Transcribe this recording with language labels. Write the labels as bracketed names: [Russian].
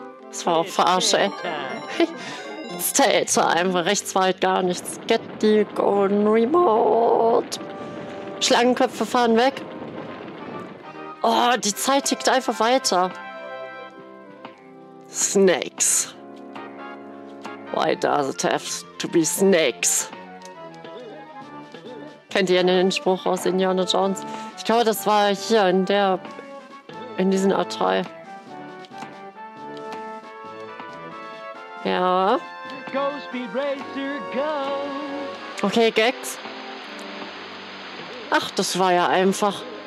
[German] Das war auch Verarsche, ey. [English] Stay time. [German] Einfach rechts war halt gar nichts. [English] Get the Golden Remote. [German] Schlangenköpfe fahren weg. Oh, die Zeit tickt einfach weiter. [English] Snakes. Why does it have to be snakes? [German] Kennt ihr den Spruch aus Indiana Jones? Ich glaube, das war hier in der... in diesen Atoll. Ja. [English] Go, Speed Racer, go. [German] Okay, Gex. Ach, das war ja einfach.